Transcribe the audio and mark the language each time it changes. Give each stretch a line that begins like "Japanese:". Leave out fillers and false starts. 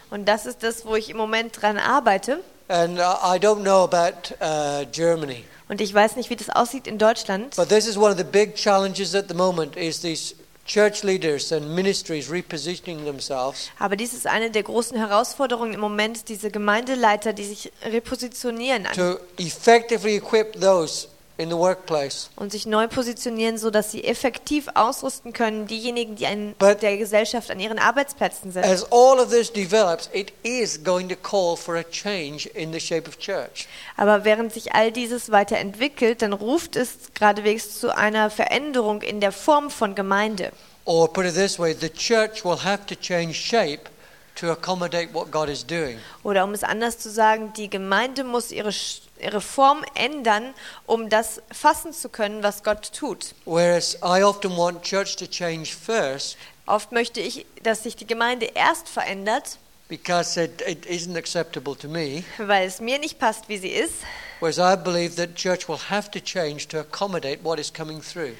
German: Und das ist das, wo ich im Moment dran arbeite.
English: And I don't know about Germany.
German: Und ich weiß nicht, wie das aussieht in Deutschland.
English: But this is one of the big challenges at the moment is these church leaders and ministries repositioning themselves.
German: Aber dies ist eine der großen Herausforderungen im Moment, diese Gemeindeleiter, die sich repositionieren.
English: To effectively equip those in the workplace.
German: Und sich neu positionieren, so dass sie effektiv ausrüsten können, diejenigen, die der Gesellschaft an ihren Arbeitsplätzen sind.
English: As all of this develops, it is going to call for a change in the shape of church.
German: Aber während sich all dieses weiterentwickelt, dann ruft es geradewegs zu einer Veränderung in der Form von Gemeinde.
English: Or put it this way, the church will have to change shape to accommodate what God is doing.
German: Oder um es anders zu sagen, die Gemeinde muss ihre Form ändern, um das fassen zu können, was Gott tut.
English: Whereas I often want church to change first.
German: Oft möchte ich, dass sich die Gemeinde erst verändert.
English: Because it isn't acceptable to me.
German: Weil es mir nicht passt, wie sie ist.
English: Whereas I believe that church will have to change to accommodate what is coming through.